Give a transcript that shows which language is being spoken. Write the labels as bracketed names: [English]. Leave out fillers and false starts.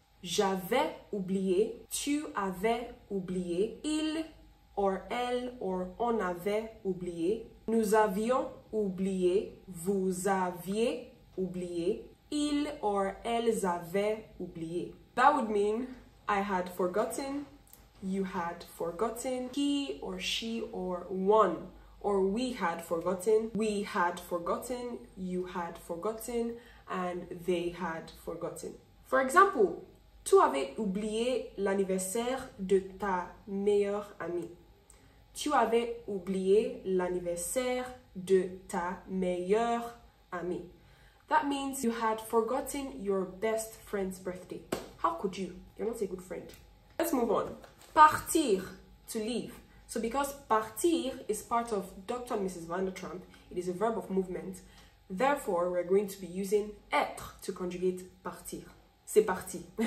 [French] J'avais oublié, tu avais oublié, il or elle or on avait oublié, nous avions oublié, vous aviez oublié, ils or elles avaient oublié. [English] That would mean I had forgotten, you had forgotten, he or she or one, or we had forgotten, we had forgotten, you had forgotten, and they had forgotten. For example, [French] tu avais oublié l'anniversaire de ta meilleure amie. Tu avais oublié l'anniversaire de ta meilleure amie. [English] That means you had forgotten your best friend's birthday. How could you? You're not a good friend. Let's move on. Partir, to leave. So because partir is part of Dr. and Mrs. Van der Tramp, it is a verb of movement. Therefore, we're going to be using être to conjugate partir. [French] C'est parti.